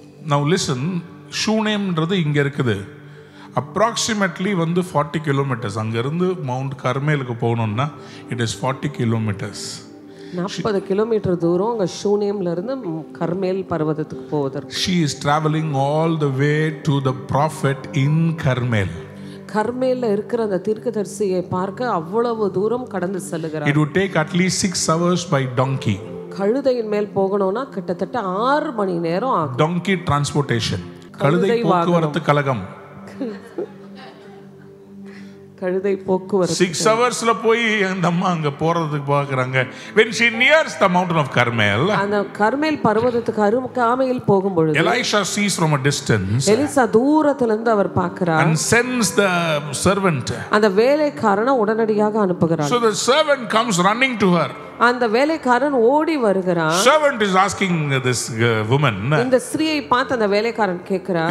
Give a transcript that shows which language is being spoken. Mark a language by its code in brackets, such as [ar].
[en] Now listen, [ta] ஷூனேம்ன்றது இங்கே இருக்குது. Approximately வந்து 40 கிலோமீட்டர்ஸ். அங்கேருந்து மவுண்ட் கர்மேலுக்கு போகணும்னா [en] It is 40 kilometres. [ta] 40 கிலோமீட்டர் தூரம் அங்கே ஷூனேம்ல இருந்து கர்மேல் பர்வதத்துக்கு போவதற்கு. [en] She is traveling all the way to the prophet in Karmel. [ta] கர்மேல்ல இருக்கிற அந்த தீர்க்கதரிசியை பார்க்க அவ்வளவு தூரம் கடந்து செல்கிறார். [en] It would take at least 6 hours by donkey. [ta] கழுதையின் மேல் போகணும்னா கிட்டத்தட்ட 6 மணி நேரம் ஆகும். [en] Donkey transportation. [ta] கழுதை போக்குவரத்து கழகம். கழுதை போக்குவரத்து 6 hoursல போய் அந்த அம்மா அங்க போறதுக்கு பாக்குறாங்க. [en] When she nears the mountain of Karmel. [ta] அந்த கர்மேல் பர்வதத்துக்கு அருகாமையில் போகும் பொழுது [en] Elisha sees from a distance. [ta] Elisha தூரத்துல இருந்து அவர் பார்க்கிறார். [en] And sends the servant. [ta] அந்த வேலைக்காரன உடனடியாக அனுப்புகிறார். [en] So the servant comes running to her. [ta] அந்த வேலைக்காரன் ஓடி வருகிறான். [en] Servant is asking this woman. [ta] இந்த ஸ்திரியை பார்த்து அந்த வேலைக்காரன் கேக்குறான்.